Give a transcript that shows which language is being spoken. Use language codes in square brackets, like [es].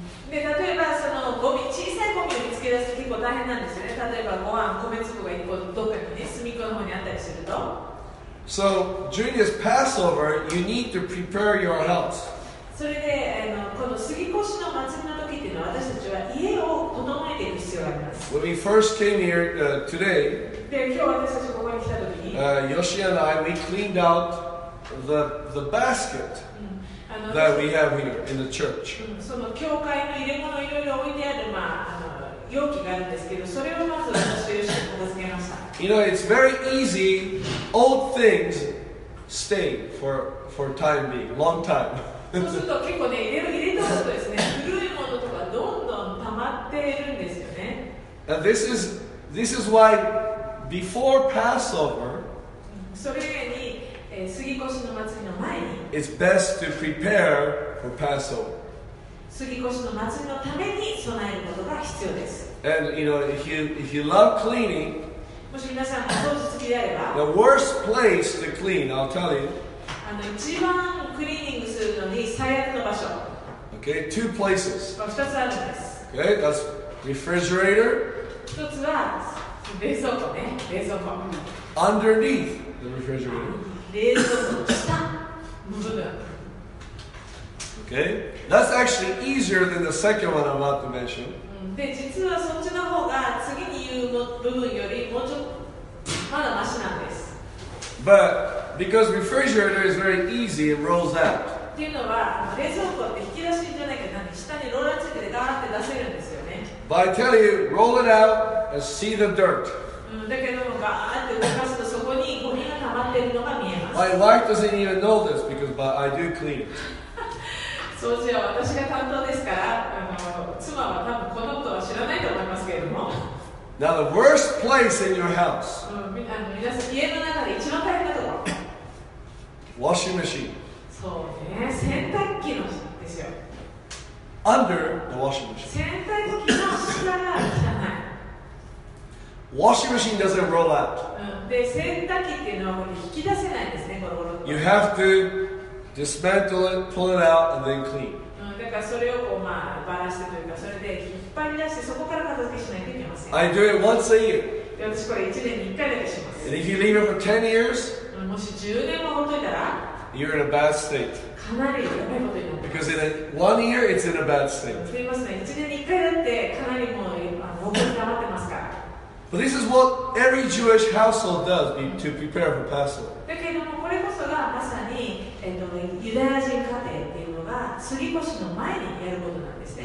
[ja] で、例えばそのゴミ、小さいゴミを見つけ出すと結構大変なんですよね。例えばご飯、米粒が一個どっかにね、隅っこの方にあったりすると。 [en] So, during this Passover, you need to prepare your house. [ja] それで、この杉越の祭りの時っていうのは、私たちは家を整えていく必要があります。 [en] When we first came here today, [ja] で、今日私たちここに来た時に、 [en] Yoshi and I, we cleaned out the basket. That we have here in the church. [ja] その教会の入れ物いろいろ置いてある、まあ、容器があるんですけど、それをまず私と一緒に片付けました。 [en] You know, it's very easy. Old things stay for time being, long time. [ja] そうすると結構ね、入れておくとですね、古いものとかどんどん溜まっているんですよね。 [en] And this is why before Passover. [ja] それ以外に杉越の祭りの前に。 [en] It's best to prepare for Passover. [ja] 杉越の祭りのために備えることが必要です。 [en] And you know, if you love cleaning, [ja] もし皆さんお掃除好きであれば、 [en] the worst place to clean, I'll tell you. [ja] 一番クリーニングするのに最悪の場所。 [en] Okay, two places. [ja] 二つあるんです。 [en] Okay, that's refrigerator. [ja] 一つは冷蔵庫ね、冷蔵庫。 [en] Underneath the refrigerator. [ja] 冷蔵庫の下。 [en] Okay, that's actually easier than the second one I'm about to mention. [ja] で、実はそっちの方が次に言う部分よりもうちょっとまだマシなんです。 [en] But because refrigerator is very easy, it rolls out. [ja] っていうのは冷蔵庫って引き出しじゃないけど、下にローラーついててガーって出せるんですよね。 [en] But I tell you, roll it out and see the dirt. [ja] だけどもガーって動かすとそこにゴミが溜まってるのが見えます。 [en] My wife doesn't even know this because, but I do clean it. [ja] 掃除は私が担当ですから、妻は多分このことは知らないと思いますけれども。 [en] Now the worst place in your house. [ja] 皆さん家の中で一番大変なところ。 [en] washing machine. [ja] そうね、洗濯機のですよ。 [en] Under the washing machine. [ja] 洗濯機の下が汚い。 [en] Washing machine doesn't roll out. [ja] で、洗濯機っていうのは引き出せないんですね、ゴロゴロと。 [en] You have to dismantle it, pull it out, and then clean. [ja] だからそれをこう、まあ、バラしてというか、それで引っ張り出して、そこから片付けしないといけません。 [en] I do it once a year. [ja] で、私これ1年に1回だけします。 [en] And if you leave it for 10 years, [ja] もし10年も放っといたら、 [en] you're in a bad state. [ja] かなりやばいことになる。 [en] Because in a, one year, it's in a bad state. [ja] すみません、1年に1回だってかなりもう、本当に溜まってますから。 [en] But this is what every Jewish household does to prepare for Passover. [ja] だけどもこれこそがまさに、ユダヤ人家庭っていうのが過ぎ越しの前にやることなんですね。